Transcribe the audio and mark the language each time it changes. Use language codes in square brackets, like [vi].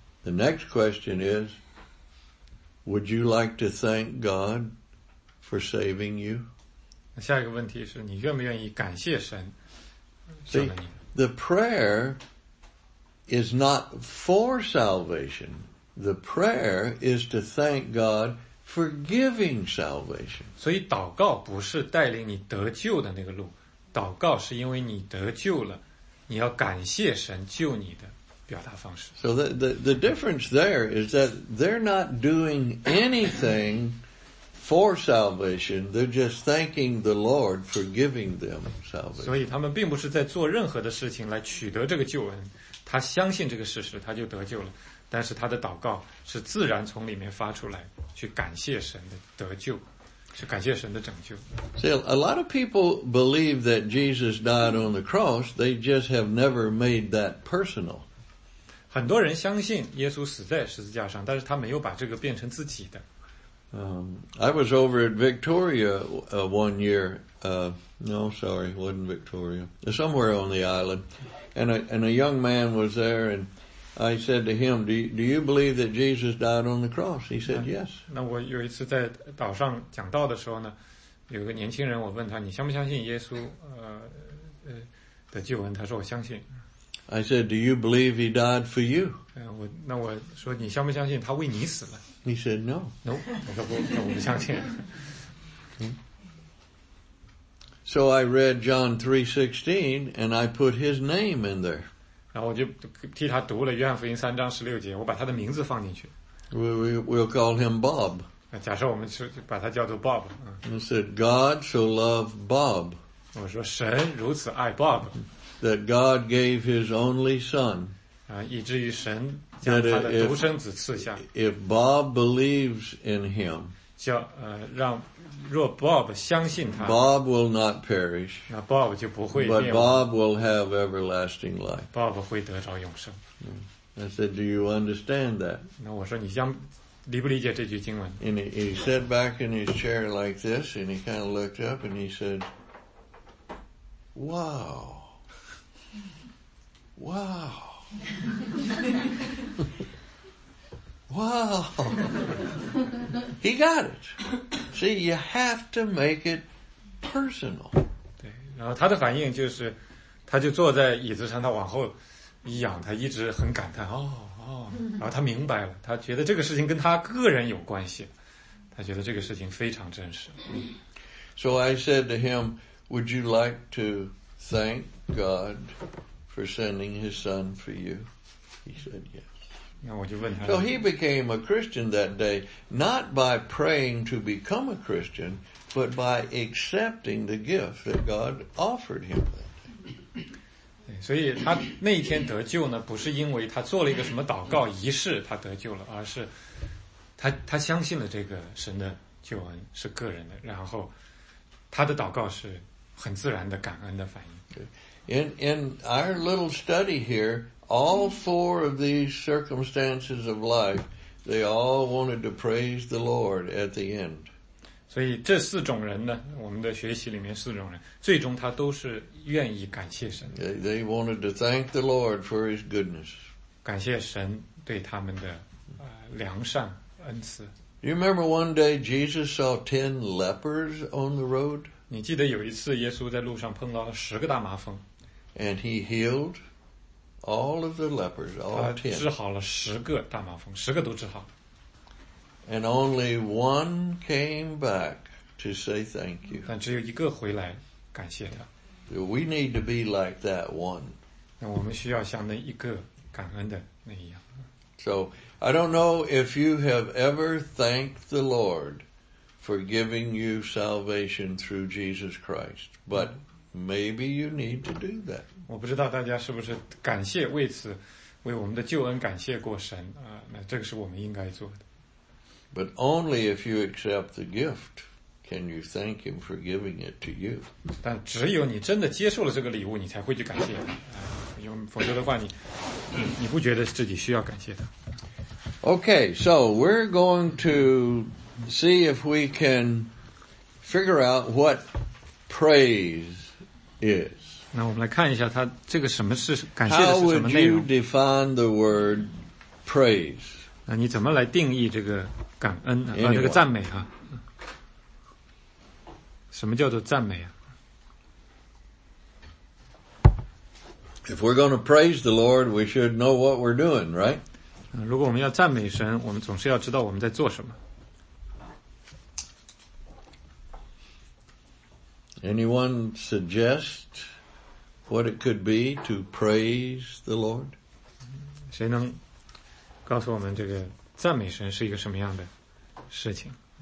[en] The next question is, would you like to thank God for saving you? [zh] 下一个问题是，你愿不愿意感谢神救了你？ [en] The prayer is not for salvation. The prayer is to thank God for giving salvation. [zh] 所以祷告不是带领你得救的那个路，祷告是因为你得救了，你要感谢神救你的表达方式。 [en] So the difference there is that they're not doing anything for salvation, they're just thanking the Lord for giving them salvation. [zh] 所以他们并不是在做任何的事情来取得这个救恩，他相信这个事实，他就得救了。但是他的祷告是自然从里面发出来，去感谢神的得救，是感谢神的拯救。 [en] See, a lot of people believe that Jesus died on the cross, they just have never made that personal. [zh] 很多人相信耶稣死在十字架上，但是他没有把这个变成自己的。 [en] I was over at Victoria one year. No, sorry, wasn't Victoria. Somewhere on the island, and a young man was there, and I said to him, "Do you believe that Jesus died on the cross?" He said, "Yes." [zh] 那我有一次在岛上讲道的时候呢，有个年轻人，我问他，你相不相信耶稣的救恩？他说，我相信。 [en] I said, "Do you believe he died for you?" [zh] 那我说，你相不相信他为你死了？ [en] He said, no. No, I don't believe it. So I read John 3:16 and I put his name in there. [zh] 然后我就替他读了约翰福音三章十六节，我把他的名字放进去。 [en] We'll call him Bob. [zh] 假设我们是把他叫做 Bob. [en] I said, God so loved Bob. [zh] 我说神如此爱 Bob. [en] That God gave his only son. [zh] 以至于神将他的独生子赐下。 [en] If Bob believes in him, [zh] 让若 Bob 相信他， [en] Bob will not perish, [zh] 那 Bob 就不会灭亡。 [en] But Bob will have everlasting life. [zh] Bob 会得着永生。 [en] I said, do you understand that? [zh] 那我说你相理不理解这句经文？ [en] And he sat back in his chair like this, and he kind of looked up and he said, wow, wow. Wow. He got it. See, you have to make it personal. [zh] 对，然后他的反应就是，他就坐在椅子上，他往后一仰，他一直很感叹，哦哦，然后他明白了，他觉得这个事情跟他个人有关系，他觉得这个事情非常真实。 [en] So I said to him, would you like to thank God? For sending his son for you. He said yes. So he became a Christian that day, not by praying to become a Christian, but by accepting the gift that God offered him. [zh] 所以他那天得救呢，不是因为他做了一个什么祷告仪式他得救了，而是他相信了这个神的救恩是个人的，然后他的祷告是很自然的感恩的反应。 [en] In our little study here, all four of these circumstances of life, they all wanted to praise the Lord at the end. [zh] 所以这四种人呢，我们的学习里面四种人，最终他都是愿意感谢神的。 [en] They wanted to thank the Lord for his goodness. [zh] 感谢神对他们的良善恩赐。 [en] You remember one day Jesus saw 10 lepers on the road? [zh] 你记得有一次耶稣在路上碰到了十个大麻风。 [en] And he healed all of the lepers, all 10. [zh] 他治好了十个大麻风，十个都治好。 [en] And only one came back to say thank you. [zh] 但只有一个回来感谢他。 [en] We need to be like that one. [zh] 那我们需要像那一个感恩的那一样。 [en] So, I don't know if you have ever thanked the Lord. For giving you salvation through Jesus Christ. But maybe you need to do that. [zh] 我不知道大家是不是感谢为此，为我们的救恩感谢过神，那这个是我们应该做的。 [en] But only if you accept the gift can you thank him for giving it to you. [zh] 但只有你真的接受了这个礼物，你才会去感谢他，因为否则的话你不觉得自己需要感谢他。 [en] Okay, so we're going to... See if we can figure out what praise is. [zh] 那我们来看一下他这个什么是感谢的是什么内容。 [en] How would you define the word praise? [zh] 那你怎么来定义这个感恩啊？ [en] Anyone. [zh] 这个赞美啊？什么叫做赞美啊？ [en] If we're going to praise the Lord, we should know what we're doing, right? [zh] 如果我们要赞美神，我们总是要知道我们在做什么。 [en] Anyone suggest what it could be to praise the Lord? [zh] 谁能告诉我们这个赞美神是一个什么样的事情？